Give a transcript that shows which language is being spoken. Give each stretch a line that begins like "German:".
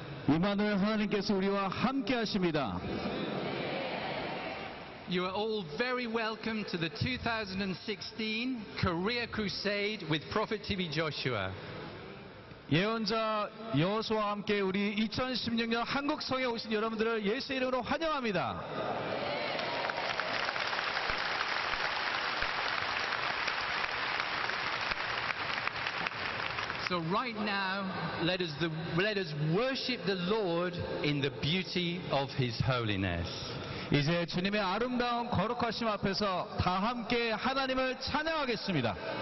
Korean: 이만우엘 하나님께서 우리와 함께 하십니다.
English: You are all very welcome to the 2016 Korea Crusade with Prophet TV Joshua.
Korean: 예언자 여호수아와 함께 우리 2016년 한국 성에 오신 여러분들을 예수의 이름으로 환영합니다.
English: So right now, let us worship the Lord in the beauty of His holiness.
Korean: 이제 주님의 아름다운 거룩하심 앞에서 다 함께 하나님을 찬양하겠습니다.